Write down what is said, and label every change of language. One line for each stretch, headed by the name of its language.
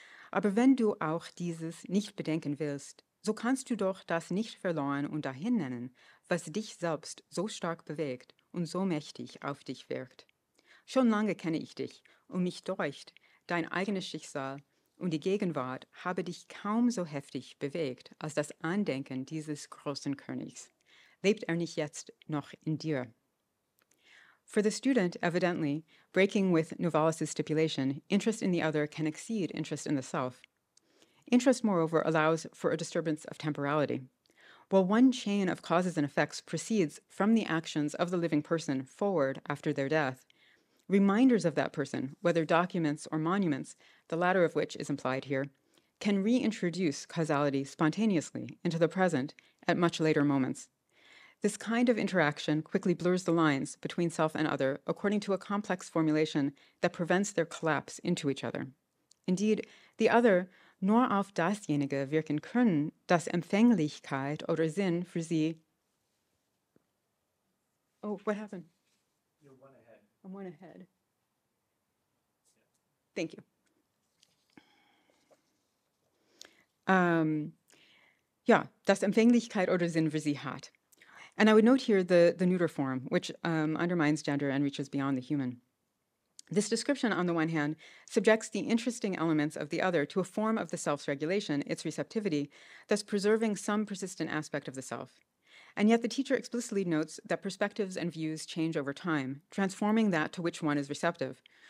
German: Aber wenn du auch dieses nicht bedenken willst, so kannst du doch das nicht verloren und dahin nennen, was dich selbst so stark bewegt und so mächtig auf dich wirkt. Schon lange kenne ich dich und mich deucht, dein eigenes Schicksal und die Gegenwart habe dich kaum so heftig bewegt als das Andenken dieses großen Königs. Lebt nicht jetzt noch in dir?"
English: For the student, evidently, breaking with Novalis' stipulation, interest in the other can exceed interest in the self. Interest, moreover, allows for a disturbance of temporality. While one chain of causes and effects proceeds from the actions of the living person forward after their death, reminders of that person, whether documents or monuments, the latter of which is implied here, can reintroduce causality spontaneously into the present at much later moments. This kind of interaction quickly blurs the lines between self and other according to a complex formulation that prevents their collapse into each other. Indeed, the other,
German: nur auf dasjenige wirken können, das Empfänglichkeit oder Sinn für sie.
English: Oh, what happened? You're one ahead. I'm one ahead. Thank you.
German: Yeah, das Empfänglichkeit oder Sinn für sie hat.
English: And I would note here the neuter form, which undermines gender and reaches beyond the human. This description, on the one hand, subjects the interesting elements of the other to a form of the self's regulation, its receptivity, thus preserving some persistent aspect of the self. And yet the teacher explicitly notes that perspectives and views change over time, transforming that to which one is receptive.